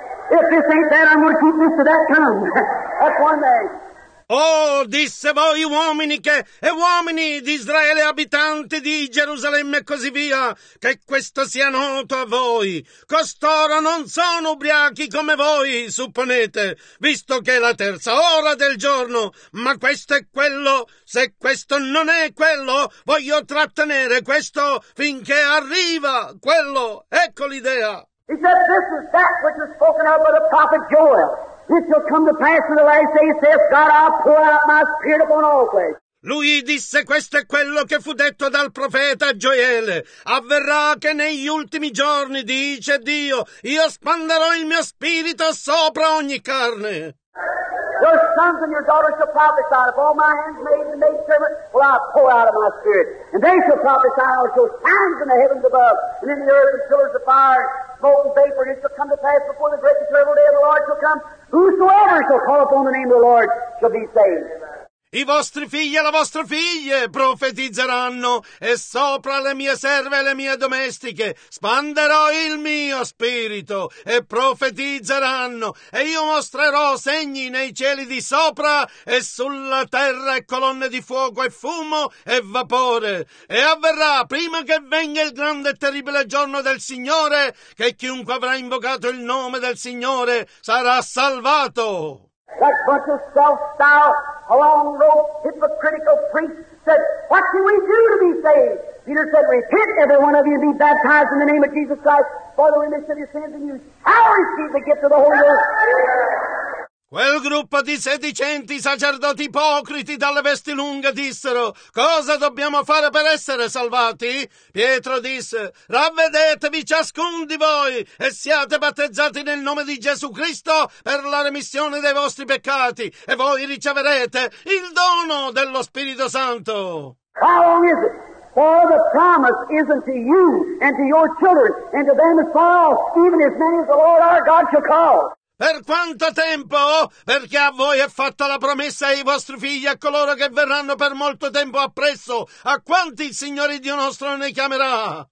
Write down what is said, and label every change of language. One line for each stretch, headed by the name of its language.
English: If this ain't that, I'm going to keep this to that time. That's one thing.
Italian: Oh, disse voi uomini che, e uomini di Israele, abitanti di Gerusalemme e così via, che questo sia noto a voi. Costoro non sono ubriachi come voi, supponete, visto che è la terza ora del giorno, ma questo è quello. Se questo non è quello, voglio trattenere questo finché arriva quello. Ecco l'idea.
English: He said, this is that which was spoken of by the prophet Joel. This shall come to pass in the last day, saith God, I'll pour out my spirit upon all flesh.
Italian: Lui disse, questo è quello che fu detto dal profeta Gioele. Avverrà che negli ultimi giorni, dice Dio, io spanderò il mio spirito sopra ogni carne.
English: Your sons and your daughters shall prophesy, and all my handmaids and maidservants will I pour out of my spirit. And they shall prophesy, and I'll show signs in the heavens above, and in the earth, and pillars of fire, smoke and vapor. It shall come to pass before the great and terrible day of the Lord shall come. Whosoever shall call upon the name of the Lord shall be saved.
Italian: I vostri figli e le vostre figlie profetizzeranno, e sopra le mie serve e le mie domestiche spanderò il mio spirito, e profetizzeranno, e io mostrerò segni nei cieli di sopra e sulla terra, e colonne di fuoco e fumo e vapore. E avverrà, prima che venga il grande e terribile giorno del Signore, che chiunque avrà invocato il nome del Signore sarà salvato.
English: That bunch of self-styled, along-rope, hypocritical priests said, what can we do to be saved? Peter said, repent, every one of you, and be baptized in the name of Jesus Christ for the remission of your sins, and you shall receive the gift of the Holy Ghost.
Italian: Quel gruppo di sedicenti sacerdoti ipocriti dalle vesti lunghe dissero, cosa dobbiamo fare per essere salvati? Pietro disse, ravvedetevi ciascun di voi e siate battezzati nel nome di Gesù Cristo per la remissione dei vostri peccati, e voi riceverete il dono dello Spirito Santo.
English: How long is it? For the promise is unto you and to your children and to them as far off, even as many as the Lord our God shall call.
Italian: Per quanto tempo? Perché a voi è fatta la promessa, ai vostri figli, a coloro che verranno per molto tempo appresso, a quanti il Signore Dio nostro ne chiamerà?